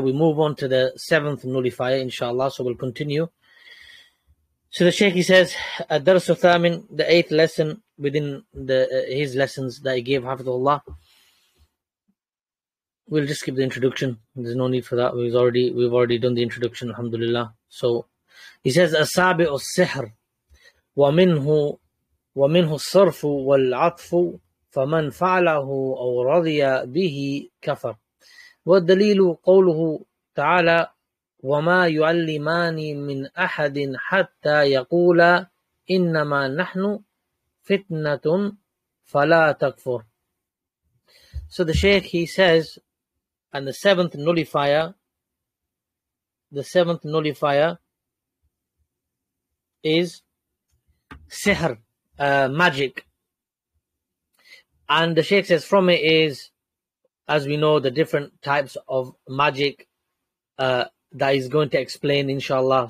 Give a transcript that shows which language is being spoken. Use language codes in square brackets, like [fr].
[en] We move on to the seventh nullifier, inshallah. So we'll continue. So the Shaykh, he says, [ar] الدرس الثامن, [en] the eighth lesson within the his lessons that he gave, hafizullah. We'll just skip the introduction. There's no need for that. We've already done the introduction, alhamdulillah. So he says, [ar] السابع السحر ومنه الصرف والعطف فمن فعله أو رضي به كفر. والدليل قوله تعالى وما يعلمان من أحد حتى يقولا إنما نحن فتنة فلا تكفر. [en] So the Shaykh, he says, and the seventh nullifier is sihr, magic. And the Shaykh says from it is, as we know, the different types of magic that he's going to explain, inshallah.